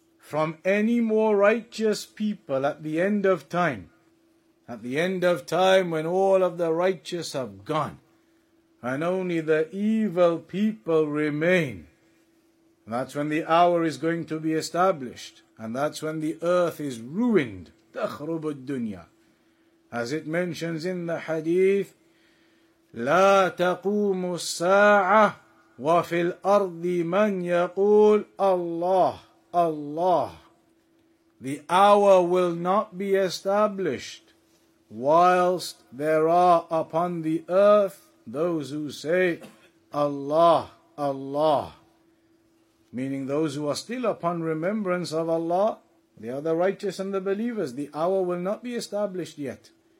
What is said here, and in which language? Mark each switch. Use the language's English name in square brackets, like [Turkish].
[English] from any more righteous people at the end of time. At the end of time when all of the righteous have gone and only the evil people remain. That's when the hour is going to be established. And that's when the earth is ruined. [Arabic] تخرب الدنيا. [English] As it mentions in the hadith, [Arabic] لا تقوم الساعة وفي الأرض من يقول الله, الله. [English] The hour will not be established whilst there are upon the earth those who say Allah, Allah. Meaning those who are still upon remembrance of Allah, the other righteous and the believers, the hour will not be established yet.